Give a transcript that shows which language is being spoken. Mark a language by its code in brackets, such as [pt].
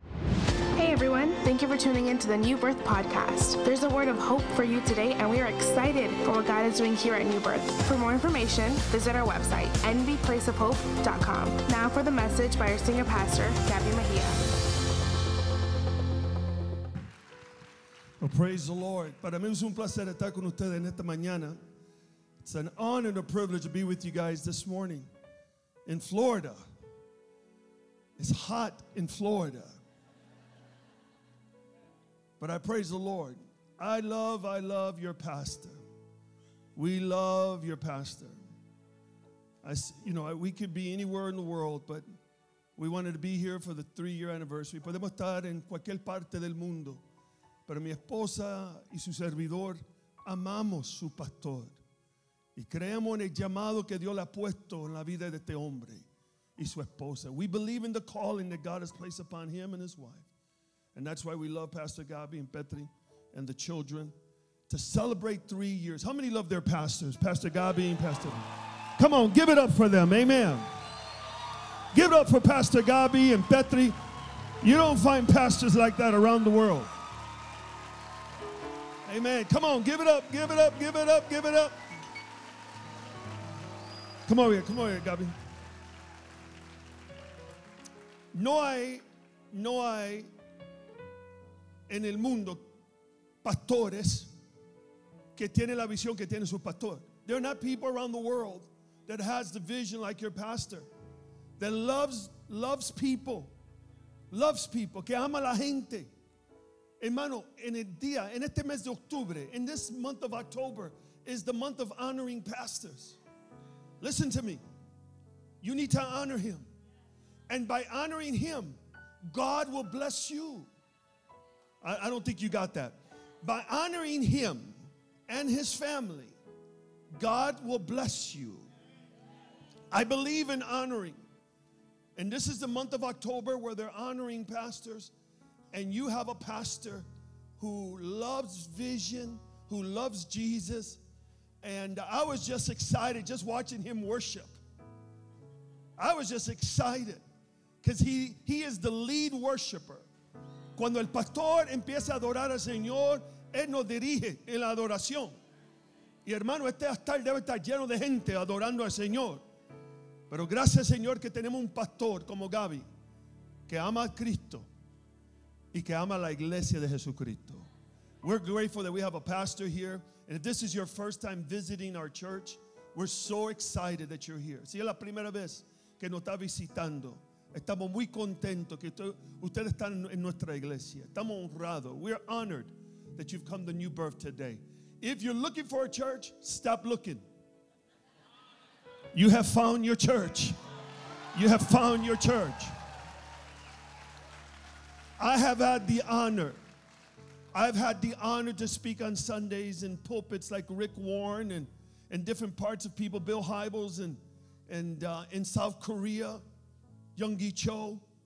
[en] Thank you for tuning in to the New Birth Podcast. There's a word of hope for you today, and we are excited for what God is doing here at New Birth. For more information, visit our website, nbplaceofhope.com. Now for the message by our senior pastor, Gabby Mejia. Well, praise the Lord. [es] Para mí es un placer estar con ustedes en esta mañana. [en] It's an honor and a privilege to be with you guys this morning in Florida. It's hot in Florida. But I praise the Lord. I love your pastor. We love your pastor. We could be anywhere in the world, but we wanted to be here for the 3-year anniversary. [es] Podemos estar en cualquier parte del mundo. Pero mi esposa y su servidor amamos su pastor. Y creemos en el llamado que Dios le ha puesto en la vida de este hombre y su esposa. [en] We believe in the calling that God has placed upon him and his wife. And that's why we love Pastor Gabby and Petri and the children to celebrate 3 years. How many love their pastors, Pastor Gabby and Pastor? Come on, give it up for them. Amen. Give it up for Pastor Gabby and Petri. You don't find pastors like that around the world. Amen. Come on, give it up, give it up, give it up, give it up. Come over here, Gabby. [es] No hay en el mundo pastores que tienen la visión que tiene su pastor. [en] There are not people around the world that has the vision like your pastor, that loves people, [es] que ama la gente. Hermano, en el día, en este mes de octubre, [en] in this month of October, is the month of honoring pastors. Listen to me. You need to honor him. And by honoring him, God will bless you. I don't think you got that. By honoring him and his family, God will bless you. I believe in honoring. And this is the month of October where they're honoring pastors. And you have a pastor who loves vision, who loves Jesus. And I was just excited just watching him worship. I was just excited because he is the lead worshiper. [es] Cuando el pastor empieza a adorar al Señor, él nos dirige en la adoración. Y hermano, este altar debe estar lleno de gente adorando al Señor. Pero gracias, Señor, que tenemos un pastor como Gabby que ama a Cristo y que ama la iglesia de Jesucristo. [en] We're grateful that we have a pastor here. And if this is your first time visiting our church, we're so excited that you're here. [es] Si es la primera vez que nos está visitando, estamos muy contentos que ustedes están en nuestra iglesia. Estamos honrados. [en] We're honored that you've come to New Birth today. If you're looking for a church, stop looking. You have found your church. You have found your church. I've had the honor to speak on Sundays in pulpits like Rick Warren and different parts of people, Bill Hybels and in South Korea, Yonggi Cho.